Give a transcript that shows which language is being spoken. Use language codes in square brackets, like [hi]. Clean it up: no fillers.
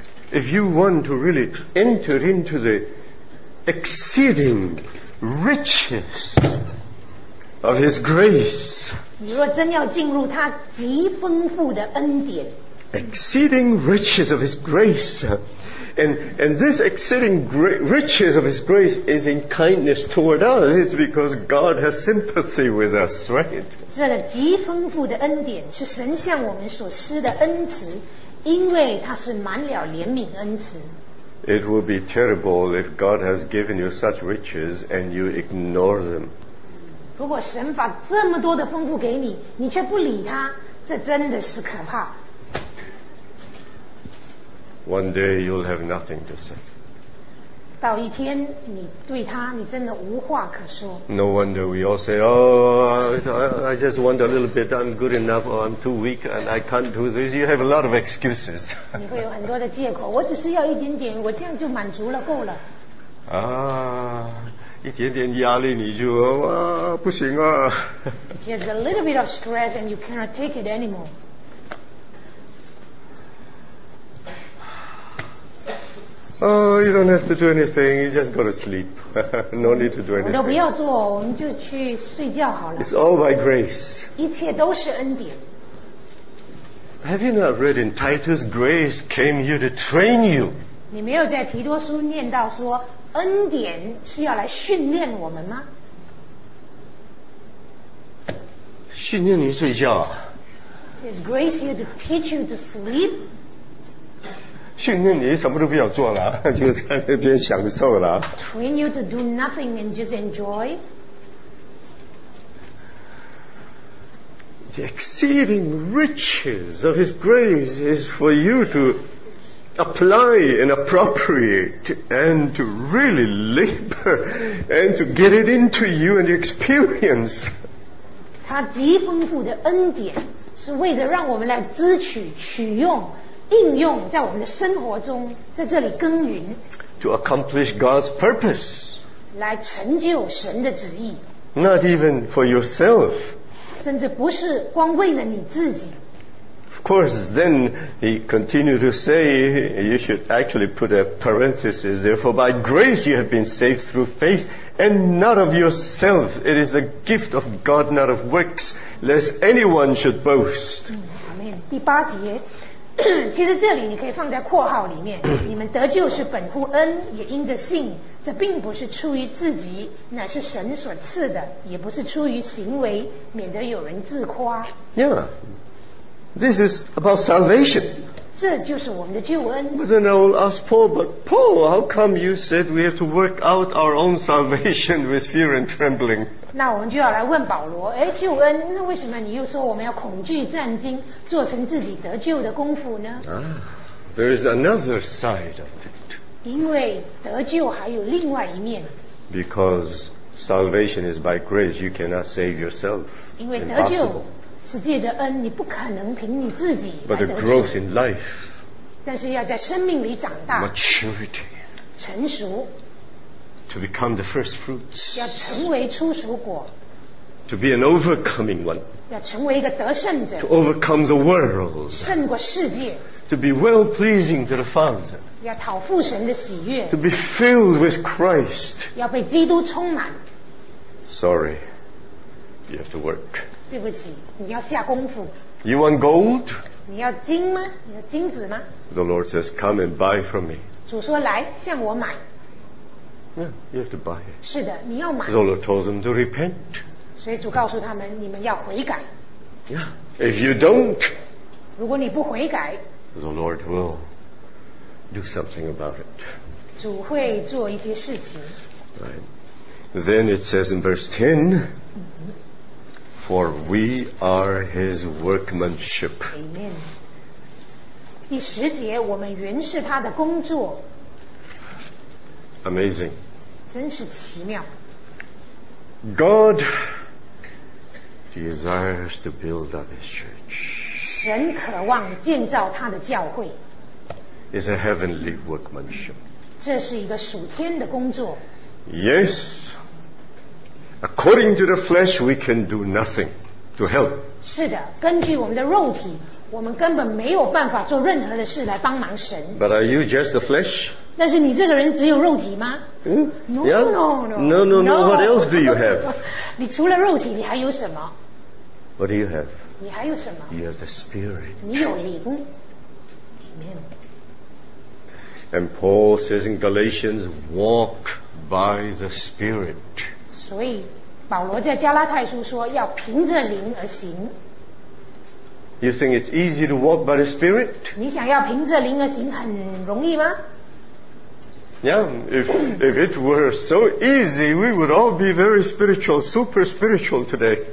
[en] If you want to really enter into the exceeding riches of His grace, [zh] 你若真要进入他极丰富的恩典， [en] exceeding riches of His grace, and this exceeding riches of His grace is in kindness toward us. It's because God has sympathy with us, right? [zh] 这个极丰富的恩典是神向我们所施的恩慈。因为他是满了怜悯恩慈。 [en] It would be terrible if God has given you such riches and you ignore them. [zh] 如果神把这么多的丰富给你，你却不理他，这真的是可怕。 [en] One day you'll have nothing to say. [zh] 到一天，你对他，你真的无话可说。 [en] No wonder we all say, "Oh, I just want a little bit. I'm good enough, or I'm too weak, and I can't do this." You have a lot of excuses. [zh] 你会有很多的借口。我只是要一点点，我这样就满足了，够了。啊，一点点压力你就啊，不行啊。 [en] Just a little bit of stress, and you cannot take it anymore. Oh, you don't have to do anything. You just go to sleep. No need to do anything. [zh] 我都不要做，我们就去睡觉好了。 [en] It's all by grace. [zh] 一切都是恩典。 [en] Have you not read in Titus, grace came here to train you? [zh] 你没有在提多书念到说，恩典是要来训练我们吗？训练你睡觉。 [en] Is grace here to teach you to sleep? [zh] 训练你什么都不要做了，就在那边享受了。 [en] Train you to do nothing and just enjoy. The exceeding riches of His grace is for you to apply and appropriate and to really labor and to get it into you and experience. [zh] 他极丰富的恩典是为着让我们来支取取用。应用在我们的生活中，在这里耕耘。 [en] To accomplish God's purpose. [zh] 来成就神的旨意。 [en] Not even for yourself. [zh] 甚至不是光为了你自己。 [en] Of course, then he continued to say, you should actually put a parenthesis. Therefore, by grace you have been saved through faith, and not of yourself. It is the gift of God, not of works, lest anyone should boast. [zh] 第八节。其实这里你可以放在括号里面，你们得救是本乎恩，也因着信，这并不是出于自己，乃是神所赐的，也不是出于行为，免得有人自夸。 [en] Yeah, this is about salvation. [zh] 这就是我们的救恩。 [en] But then I will ask Paul, but Paul, how come you said we have to work out our own salvation with fear and trembling? [zh] 那我们就要来问保罗，哎，救恩，那为什么你又说我们要恐惧战惊，做成自己得救的功夫呢？ [en] There is another side of it. [zh] 因为得救还有另外一面。 [en] Because salvation is by grace, you cannot save yourself. [zh] 因为得救是借着恩，你不可能凭你自己来得救。 [en] But the growth in life. [zh] 但是要在生命里长大。 [en] Maturity. [zh] 成熟。 [en] To become the first fruits. [zh] 要成为初熟果。 [en] To be an overcoming one. [zh] 要成为一个得胜者。 [en] To overcome the world. [zh] 胜过世界。 [en] To be well pleasing to the Father. [zh] 要讨父神的喜悦。 [en] To be filled with Christ. [zh] 要被基督充满。 [en] Sorry, you have to work. [zh] 对不起，你要下功夫。 [en] You want gold? [zh] 你要金吗？你要金子吗？ [en] The Lord says, "Come and buy from me." [zh] 主说来向我买。 [en] Yeah, you have to buy it. [zh] 是的，你要买。 [en] The Lord told them to repent. [zh] 所以主告诉他们，你们要悔改。 [en] Yeah, if you don't, [zh] 如果你不悔改， [en] the Lord will do something about it. [zh] 主会做一些事情。 [en] Right. Then it says in verse 10, "For we are His workmanship." Amen. [zh] 第十节，我们原是他的工作。 [en] amazing. [zh] 真是奇妙。 [en] God desires to build up His church. [zh] 神渴望建造他的教会。 [en] It's a heavenly workmanship. [zh] 这是一个属天的工作。 [en] Yes, according to the flesh, we can do nothing to help. [zh] 是的，根据我们的肉体，我们根本没有办法做任何的事来帮忙神。 [en] But are you just the flesh? [zh] 但是你这个人只有肉体吗？ [en] No. What else do you have? [zh] 你除了肉体，你还有什么？ [en] What do you have? [zh] 你还有什么？ [en] You have the spirit. [zh] 你有灵。Amen. [en] And Paul says in Galatians, walk by the spirit. [zh] 所以保罗在加拉太书说要凭着灵而行。 [en] You think it's easy to walk by the Spirit? [zh] 你想要凭着灵而行很容易吗？ [en] Yeah, if it were so easy, we would all be very spiritual, super spiritual today.